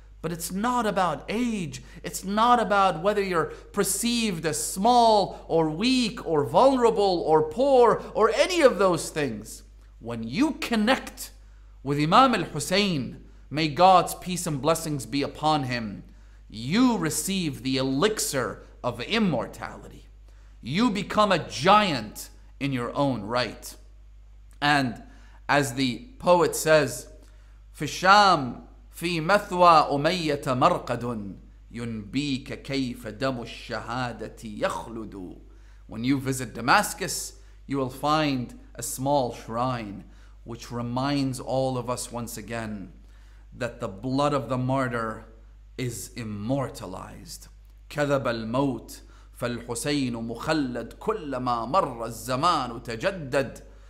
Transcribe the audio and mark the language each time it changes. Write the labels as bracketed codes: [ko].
[en] But it's not about age. It's not about whether you're perceived as small or weak or vulnerable or poor or any of those things. When you connect with Imam al-Husayn, may God's peace and blessings be upon him, you receive the elixir of immortality. You become a giant in your own right. And as the poet says, [ar] فِشَّام فِي مَثْوَى أُمَيَّةَ مَرْقَدٌ يُنْبِيكَ كَيْفَ دَمُ الشَّهَادَةِ يَخْلُدُ. [en] When you visit Damascus, you will find a small shrine which reminds all of us once again that the blood of the martyr is immortalized. [ar] كَذَبَ الْمَوْتِ فَالْحُسَيْنُ مُخَلَّدْ كُلَّمَا مَرَّ الزَّمَانُ تَجَدَّدْ.